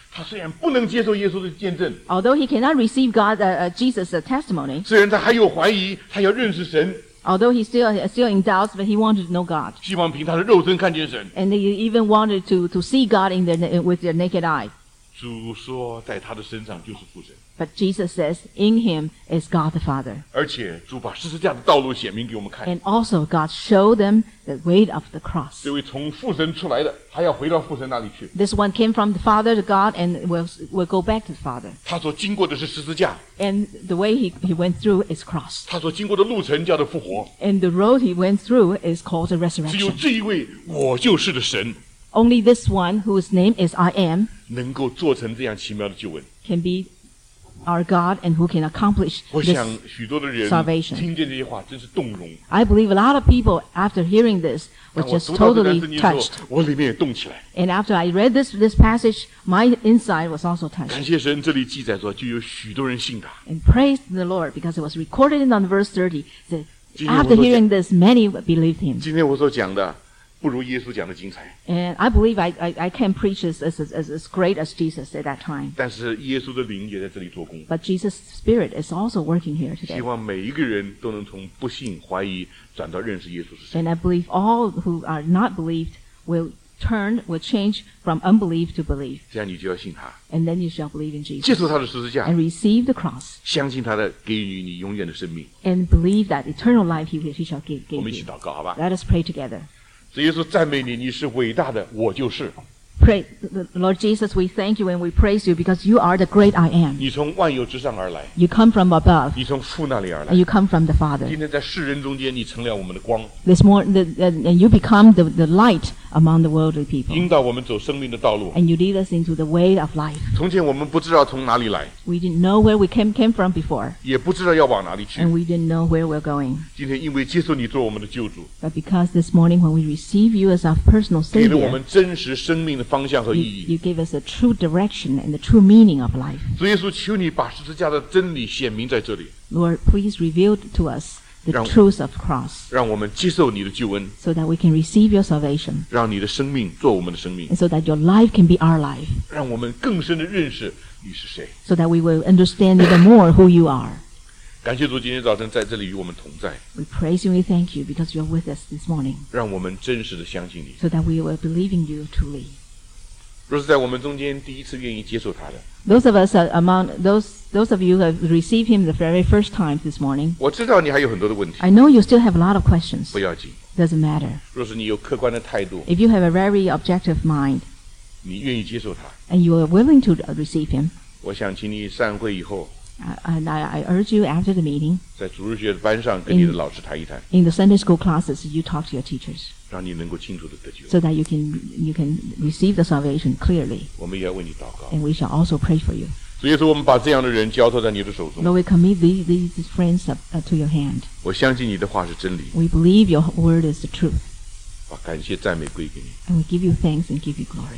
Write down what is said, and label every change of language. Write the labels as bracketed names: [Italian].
[Chinese] 他虽然不能接受耶稣的见证， [English] although he cannot receive God, Jesus' testimony, [Chinese] 虽然他还有怀疑，他要认识神， [English] although he's still in doubts, but he wanted to know God. [Chinese] 希望凭他的肉身看见神， [English] and he even wanted to see God with their naked eye. [Chinese] 主说在他的身上就是父神， [English] but Jesus says in him is God the Father. [Chinese] 而且主把十字架的道路显明给我们看， [English] and also God showed them the weight of the cross. [Chinese] 这位从父神出来的还要回到父神那里去。 [English] This one came from the Father to God and will go back to the Father. [Chinese] 他所经过的是十字架。 [English] And the way he went through is cross. [Chinese] 他所经过的路程叫做复活。 [English] And the road he went through is called the resurrection. [Chinese] 只有这一位我就是的神。 [English] Only this one whose name is I am. [Chinese] 能够做成这样奇妙的救恩。 [English] Can be our God and who can accomplish this salvation. [Chinese] 听见这些话真是动容。 [English] I believe a lot of people after hearing this were just totally touched. [Chinese] 我里面也动起来。 [English] And after I read this passage, my inside was also touched. [Chinese] 感谢神，这里记载说就有许多人信他。 [English] And praise the Lord because it was recorded in verse 30 that after hearing this, many believed him. [Chinese] 今天我所讲的不如耶稣讲的精彩。 [English] And I believe I can preach as great as Jesus at that time. [Chinese] 但是耶稣的灵也在这里做工。 [English] But Jesus' spirit is also working here today. [Chinese] 希望每一个人都能从不信、怀疑转到认识耶稣是谁。 [English] And I believe all who are not believed will change from unbelief to belief. [Chinese] 这样你就要信他。 [English] And then you shall believe in Jesus. [Chinese] 接受他的十字架。 [English] And receive the cross. [Chinese] 相信他的给予你永远的生命。 [English] And believe that eternal life he shall give you. [Chinese] 我们一起祷告好吧。 [English] Let us pray together. [Chinese] 主耶稣赞美你，你是伟大的，我就是。 [English] Pray, Lord Jesus, we thank you and we praise you because you are the great I am. [Chinese] 你从万有之上而来。 [English] You come from above. [Chinese] 你从父那里而来。 [English] And you come from the Father. [Chinese] 今天在世人中间，你成了我们的光。 [English] This morning, and you become the light among the worldly people. [Chinese] 引导我们走生命的道路。 [English] And you lead us into the way of life. [Chinese] 从前我们不知道从哪里来。 [English] We didn't know where we came from before. [Chinese] 也不知道要往哪里去。 [English] And we didn't know where we're going. [Chinese] 今天因为接受你做我们的救主。 [English] But because this morning when we receive you as our personal Savior. [Chinese] 给了我们真实生命的方向和意义。 [English] You gave us a true direction and the true meaning of life. [Chinese] 主耶稣，求你把十字架的真理显明在这里。 [English] Lord, please reveal to us the truth of the cross. [Chinese] 让我们接受你的救恩。 [English] So that we can receive your salvation. [Chinese] 让你的生命做我们的生命。 [English] And so that your life can be our life. [Chinese] 让我们更深的认识你是谁。 [English] So that we will understand even more who you are. [Chinese] 感谢主今天早晨在这里与我们同在。 [English] We praise you and thank you because you are with us this morning. [Chinese] 让我们真实的相信你。 [English] So that we will believe in you truly. [Chinese] 若是在我们中间第一次愿意接受他的。 [English] Those of us among those of you who have received him the very first time this morning. [Chinese] 我知道你还有很多的问题。 [English] I know you still have a lot of questions. [Chinese] 不要紧。 [English] Doesn't matter. [Chinese] 若是你有客观的态度。 [English] If you have a very objective mind. [Chinese] 你愿意接受他。 [English] And you are willing to receive him. [Chinese] 我想请你散会以后。 [English] I urge you after the meeting, [Chinese] 在主日学班上跟你的老师谈一谈。 [English] In the Sunday school classes, you talk to your teachers. [Chinese] 让你能够清楚地得救。 [English] So that you can receive the salvation clearly. [Chinese] 我们也要为你祷告。 [English] And we shall also pray for you. [Chinese] 所以说我们把这样的人交托在你的手中。 [English] Lord, we commit these friends to your hand. [Chinese] 我相信你的话是真理。 [English] We believe your word is the truth. [Chinese] 把感谢赞美归给你。 [English] And we give you thanks and give you glory.